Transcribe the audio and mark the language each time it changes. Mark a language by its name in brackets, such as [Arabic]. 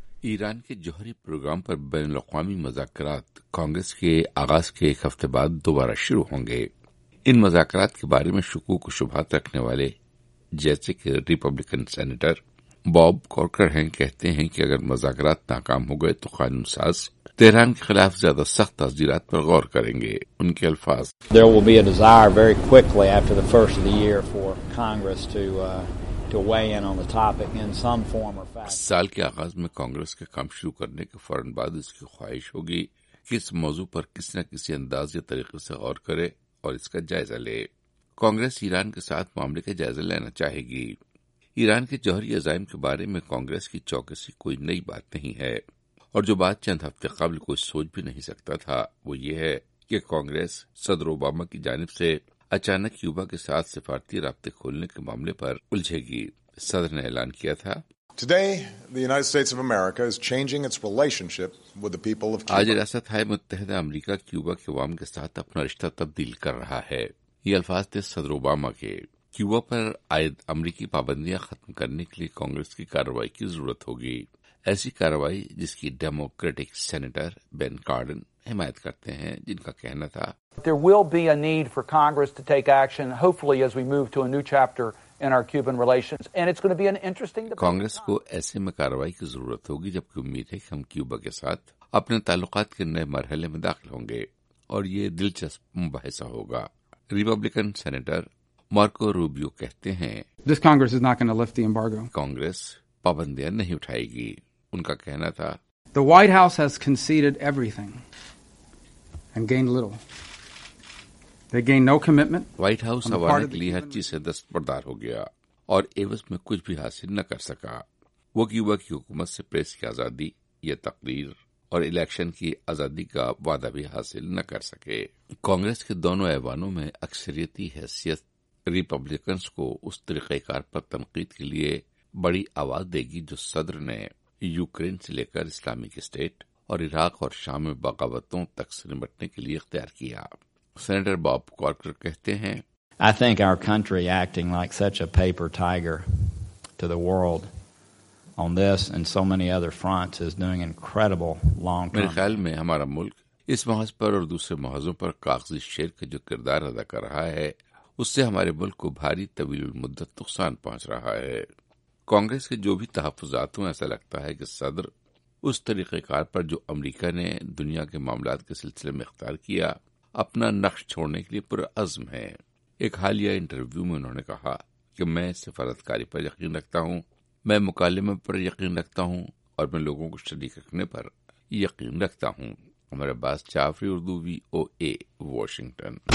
[Urdu] ایران کے جوہری پروگرام پر بین الاقوامی مذاکرات کانگریس کے آغاز کے ایک ہفتے بعد دوبارہ شروع ہوں گے۔ ان مذاکرات کے بارے میں شکوک و شبہات رکھنے والے، جیسے کہ ریپبلکن سینیٹر باب کارکر ہیں، کہتے ہیں کہ اگر مذاکرات ناکام ہو گئے تو قانون ساز تہران کے خلاف زیادہ سخت تعزیرات پر غور کریں گے۔ ان کے الفاظ، [English] There will be a desire very quickly after the first of the year for Congress to weigh in on the topic in some form or fashion۔ [Urdu] سال کے آغاز میں کانگریس کا کام شروع کرنے کے فوراً بعد اس کی خواہش ہوگی کہ اس موضوع پر کسی نہ کسی انداز یا طریقے سے غور کرے اور اس کا جائزہ لے۔ کانگریس ایران کے ساتھ معاملے کا جائزہ لینا چاہے گی۔ ایران کے جوہری عزائم کے بارے میں کانگریس کی چوکسی کوئی نئی بات نہیں ہے، اور جو بات چند ہفتے قبل کوئی سوچ بھی نہیں سکتا تھا وہ یہ ہے کہ کانگریس صدر اوباما کی جانب سے اچانک کیوبا کے ساتھ سفارتی رابطے کھولنے کے معاملے پر الجھے گی۔ صدر نے اعلان کیا تھا، [English] Today, the United States of America is changing its relationship with the people of Cuba. [Urdu] آج ریاست ہائے متحدہ امریکہ کیوبا کے عوام کے ساتھ اپنا رشتہ تبدیل کر رہا ہے۔ یہ الفاظ تھے صدر اوباما کے۔ کیوبا پر عائد امریکی پابندیاں ختم کرنے کے لیے کانگریس کی کارروائی کی ضرورت ہوگی، ایسی کارروائی جس کی ڈیموکریٹک سینیٹر بین کارڈن حمایت کرتے ہیں، جن کا کہنا تھا، [English] There will be a need for Congress to take action, hopefully as we move to a new chapter in our Cuban relations, and it's going to be an interesting debate. [Urdu] Congress کو ایسے میں کارروائی کی ضرورت ہوگی جبکہ امید ہے کہ ہم کیوبا کے ساتھ اپنے تعلقات کے نئے مرحلے میں داخل ہوں گے، اور یہ دلچسپ مباحثہ ہوگا۔ ریپبلکن سینیٹر مارکو روبیو کہتے ہیں، [English] This Congress is not going to lift the embargo. [Urdu] Congress پابندیاں نہیں اٹھائے گی۔ ان کا کہنا تھا، [English] The White House has conceded everything and gained little. They gained no commitment. [Urdu] White house حوالے کے لیے ہر چیز سے دستبردار ہو گیا اور ایوز میں کچھ بھی حاصل نہ کر سکا۔ وہ کیوبا کی حکومت سے پریس کی آزادی یا تقریر اور الیکشن کی آزادی کا وعدہ بھی حاصل نہ کر سکے۔ کانگریس کے دونوں ایوانوں میں اکثریتی حیثیت ریپبلکنز کو اس طریقہ کار پر تنقید کے لیے بڑی آواز دے گی جو صدر نے یوکرین سے لے کر اسلامک اسٹیٹ اور عراق اور شام میں بغاوتوں تک سے نمٹنے کے لیے اختیار کیا۔ سینیٹر باب کارکر کہتے ہیں، [English] I think our country acting like such a paper tiger to the world on this and so many other fronts is doing incredible long term. [Urdu] میرے خیال میں ہمارا ملک اس محاذ پر اور دوسرے محاذوں پر کاغذی شیر کا جو کردار ادا کر رہا ہے، اس سے ہمارے ملک کو بھاری طویل المدت نقصان پہنچ رہا ہے۔ کانگریس کے جو بھی تحفظات ہوں، ایسا لگتا ہے کہ صدر اس طریقہ کار پر جو امریکہ نے دنیا کے معاملات کے سلسلے میں اختیار کیا، اپنا نقش چھوڑنے کے لیے پرعزم ہے۔ ایک حالیہ انٹرویو میں انہوں نے کہا کہ میں سفارتکاری پر یقین رکھتا ہوں، میں مکالمے پر یقین رکھتا ہوں، اور میں لوگوں کو شریک رکھنے پر یقین رکھتا ہوں۔ ہمارے عباس جعفری، اردو وی او اے، واشنگٹن۔